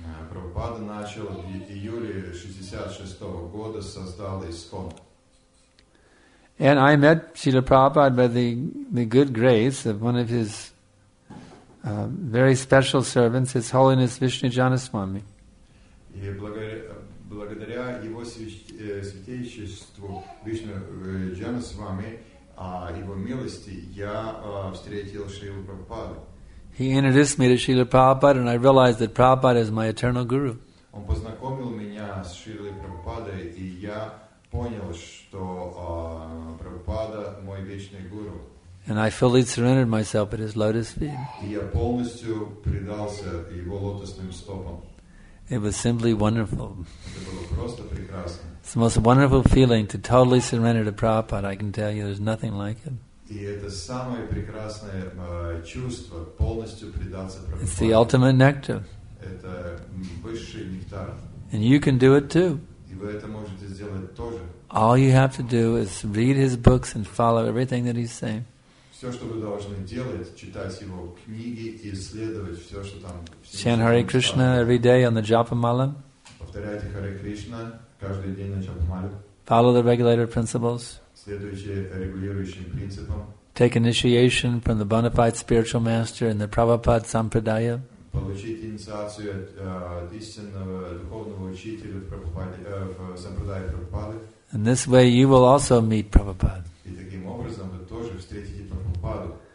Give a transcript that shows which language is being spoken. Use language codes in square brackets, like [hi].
[ru] Prabhupada начал в июле 66 года создал ISKCON. [en] And I met Srila Prabhupada by the good grace of one of his very special servants, His Holiness Vishnu Janaswami. [ru] И благодаря его святейшеству Вишну Джанасвами, его милости, я встретил Шрилу Прабхупаду. [en] He introduced me to Srila Prabhupada and I realized that Prabhupada is my eternal guru. [ru] Он познакомил меня с Шрилой Прабхупадой, и я понял, что Прабхупада мой вечный гуру. [en] And I fully surrendered myself at his lotus feet. [ru] И я полностью предался его лотосным стопам. [en] It was simply wonderful. [ru] Это было просто прекрасно. [en] It's the most wonderful feeling to totally surrender to Prabhupada, I can tell you, there's nothing like it. [ru] И это самое прекрасное чувство, полностью предаться Прабхупаде. [en] It's the ultimate nectar. [ru] Это высший нектар. [en] And you can do it too. [ru] И вы это можете сделать тоже. [en] All you have to do is read his books and follow everything that he's saying. [ru] Все, что вы должны делать, читать его книги и исследовать все, что там... [en] Chant Hare Krishna every day on the Japa Mala. [ru] Повторяйте Hare Krishna каждый день на Japa Mala. [en] Follow the regulator principles. [ru] Следуйте регулирующим принципам. [en] Take initiation from the bona fide spiritual master in the Prabhupada Sampradaya. [ru] Получите инициацию от истинного духовного учителя в Сампрадайе Прабхупады. [en] And this way you will also meet Prabhupada. [ru] И таким образом вы тоже встретите Прабхупаду.